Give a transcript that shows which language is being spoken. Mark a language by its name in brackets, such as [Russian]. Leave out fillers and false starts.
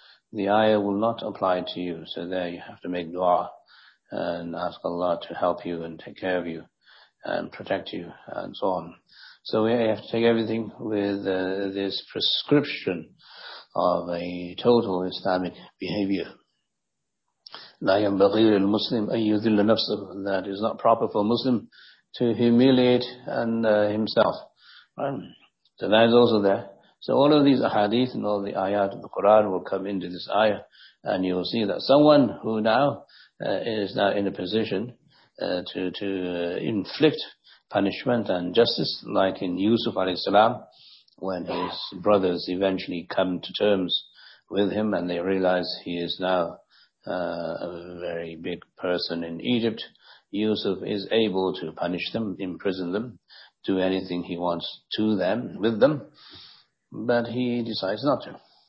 [English] The ayah will not apply to you. So there you have to make dua and ask Allah to help you and take care of you and protect you and so on. So we have to take everything with this prescription of a total Islamic behavior. [Arabic] لا ينبغي للمسلم أن يذل نفسه. [English] That is not proper for a Muslim to humiliate and himself. Right? So that is also there. So all of these ahadith and all the ayat of the Quran will come into this ayah And you will see that someone who now is in a position to inflict punishment and justice, like in Yusuf alayhi salam, when his brothers eventually come to terms with him and they realize he is now a very big person in Egypt, Yusuf is able to punish them, imprison them, do anything he wants to them, with them, but he decides not to.